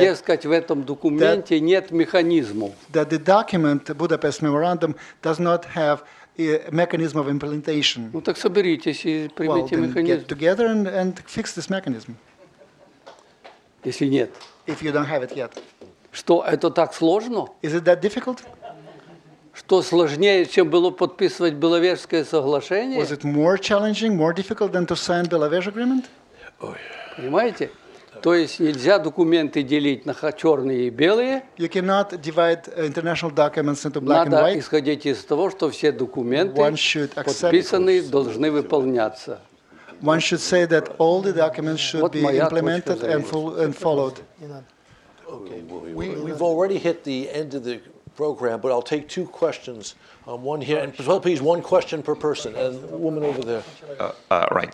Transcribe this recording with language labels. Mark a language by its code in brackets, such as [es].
[ru] дескать, в этом документе нет механизмов. [en] That the document, the Budapest Memorandum, does not have mechanism of implementation. [ru] Ну так соберитесь и примите механизм. [en] Get together and fix this mechanism. [ru] Если нет. [en] If you don't have it yet. [ru] Что это так сложно? [en] Is it that difficult? [ru] Что сложнее, чем было подписывать Беловежское соглашение? [en] Was it more challenging, more difficult than to sign the Belavezhe Agreement? [ru] Понимаете? То есть нельзя документы делить на черные и белые. [en] You cannot divide international documents into black [ru] Надо [en] and white. [ru] Надо исходить из того, что все документы подписаны должны выполняться. [en] One should say that all the documents should be implemented and followed. We've already hit the end of the program, but I'll take two questions. One here, and as well, please, one question per person. And the woman over there. Right.